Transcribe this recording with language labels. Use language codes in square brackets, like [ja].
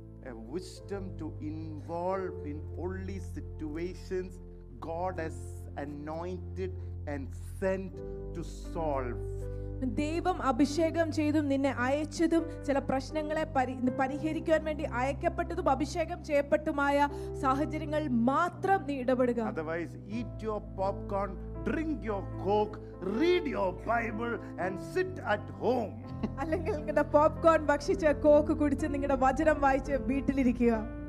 [en] A wisdom to involve in holy situations God has anointed and sent to solve. [ml] ദൈവം അഭിഷേകം ചെയ്തും നിന്നെ അയച്ചതും ചില പ്രശ്നങ്ങളെ പരിഹരിക്കാൻ വേണ്ടി അയക്കപ്പെട്ടതും അഭിഷേകം ചെയ്യപ്പെട്ടതുമായ സാഹചര്യങ്ങൾ മാത്രം നീ ഇടപെടുക. [en] Otherwise, eat your popcorn, drink your coke, read your Bible and sit at home. [ml] അല്ലെങ്കിൽ നിങ്ങളുടെ പോപ്കോൺ ഭക്ഷിച്ച് കോക്ക് കുടിച്ച് നിങ്ങളുടെ വചനം വായിച്ച് വീട്ടിലിരിക്കുക.